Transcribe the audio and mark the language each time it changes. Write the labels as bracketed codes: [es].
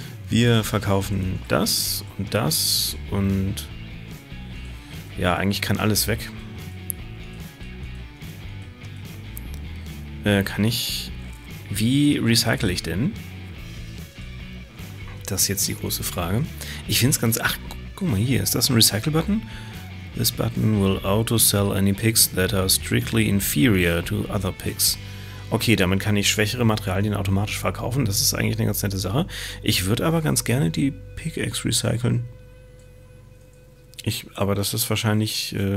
[de] Wir verkaufen das und das und ja, eigentlich kann alles weg. Wie recycle ich denn? Das ist jetzt die große Frage. Ich finde es ganz... Ach, guck mal hier, ist das ein Recycle-Button? [en] This button will auto-sell any picks that are strictly inferior to other picks. [de] Okay, damit kann ich schwächere Materialien automatisch verkaufen. Das ist eigentlich eine ganz nette Sache. Ich würde aber ganz gerne die Pickaxe recyceln. Aber das ist wahrscheinlich...